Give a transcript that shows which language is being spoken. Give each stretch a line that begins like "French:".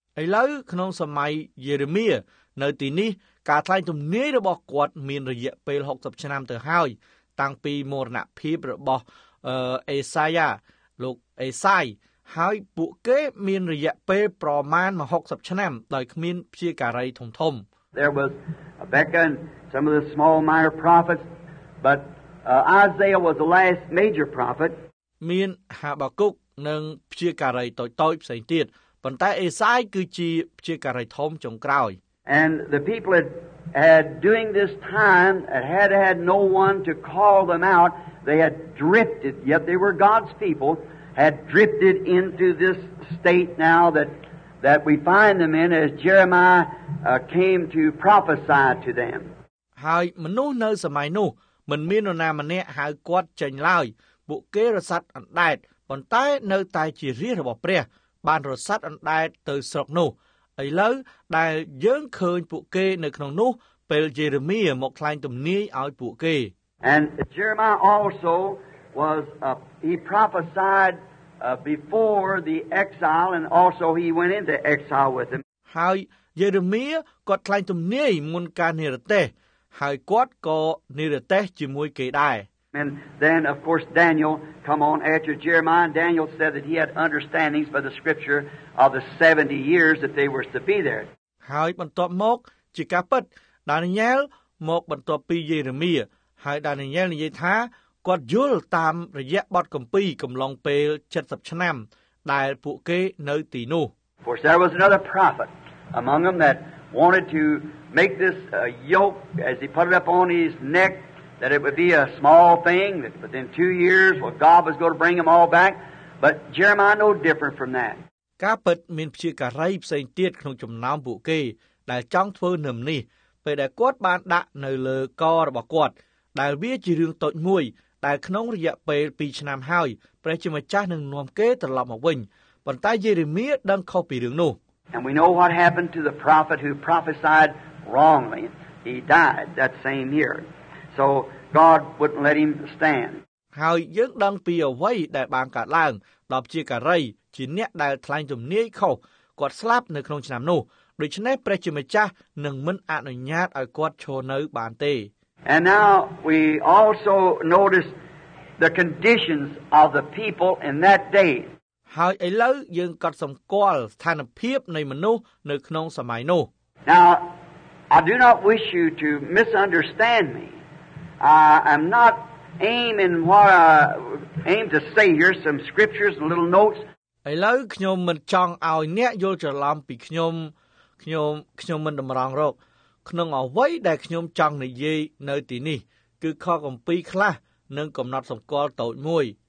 Khmer: ឥឡូវក្នុងសម័យយេរេមៀនៅទីនេះការថ្លែងទំនាយរបស់គាត់មានរយៈពេល60ឆ្នាំទៅហើយតាំងពីមរណភាពរបស់អេសាយ៉ាលោកអេសាយហើយពួកគេមានរយៈពេលប្រមាណ60ឆ្នាំដោយគ្មានព្យាការីធំធំ
English: There was Habakkuk and some of the small minor prophets but Isaiah was the last major prophet
Khmer: មានហាបាគុកនិងព្យាការីតូចៗផ្សេងទៀតប៉ុន្តែអេសាយគឺជាព្យាការីធំចុងក្រោយ
English: And the people had during this time had no one to call them out they had drifted yet they were God's people had drifted into this state now that we find them in as Jeremiah came to prophesy to them
Khmer: ហើយមនុស្សនៅសម័យនោះមិនមាននរណាម្នាក់ហៅគាត់ចេញឡើយពួកគេរសាត់អណ្ដែតប៉ុន្តែនៅតែជារាជរបស់ព្រះ បានរត់សាត់អណ្ដែតទៅស្រុកនោះឥឡូវដែលយើងឃើញពួកគេនៅក្នុងនោះពេលយេរេមៀមកថ្លែងទំនាយឲ្យពួកគេ
English: And Jeremiah also was he prophesied before the exile and also he went into exile with them
Khmer: ហើយយេរេមៀក៏ថ្លែងទំនាយមុនការនិរទេសហើយគាត់ក៏និរទេសជាមួយគេដែរ
English: And then of course Daniel come on after Jeremiah Daniel said that he had understandings by the scripture of the 70 years that they were to be there
Khmer: ហើយបន្ទាប់មកជាការពិតដានីយ៉ែលមកបន្ទាប់ពីយេរេមៀហើយដានីយ៉ែលនិយាយថាគាត់យល់តាមរយៈបទកំពីកំឡុងពេល70ឆ្នាំដែលពួកគេនៅទីនោះ
English: For there was another prophet among them that wanted to make this yoke as he put it up on his neck that it would be a small thing that within 2 years what God was going to bring them all back but Jeremiah no different from that
Khmer: កាពិតមានព្យាការីផ្សេងទៀតក្នុងចំណោមពួកគេដែលចង់ធ្វើនឹមនេះពេលដែលគាត់បានដាក់នៅលើករបស់គាត់ដែលវាជារឿងតូចមួយដែលក្នុងរយៈពេល2ឆ្នាំហើយព្រះជាម្ចាស់នឹងនាំគេត្រឡប់មកវិញប៉ុន្តែយេរេមៀដឹងខុសពីរឿងនោះ
English: And we know what happened to the prophet who prophesied wrongly he died that same year so God wouldn't let him stand
Khmer: ហើយយើងដឹងពីអ្វីដែលបានកើតឡើងដល់ព្យាការីជាអ្នកដែលថ្លែងជំនាញខុសគាត់ស្លាប់នៅក្នុងឆ្នាំនោះដូច្នេះព្រះជាម្ចាស់នឹងមិនអនុញ្ញាតឲ្យគាត់ឈរនៅបានទេ
English: And now we also notice the conditions of the people in that day.
Khmer: ហើយឥឡូវយើងក៏សម្គាល់ស្ថានភាពនៃមនុស្សនៅក្នុងសម័យនោះ
English: Now I do not wish you to misunderstand me. I am not aiming what I aim to say here some scriptures and little notes.
Khmer: ឥឡូវខ្ញុំមិនចង់ឲ្យអ្នកយល់ច្រឡំពីខ្ញុំមិនតម្រង់រកក្នុងអ្វីដែលខ្ញុំចង់និយាយនៅទីនេះគឺខកំពីខ្លះនឹងកំណត់សម្គាល់តូចមួយ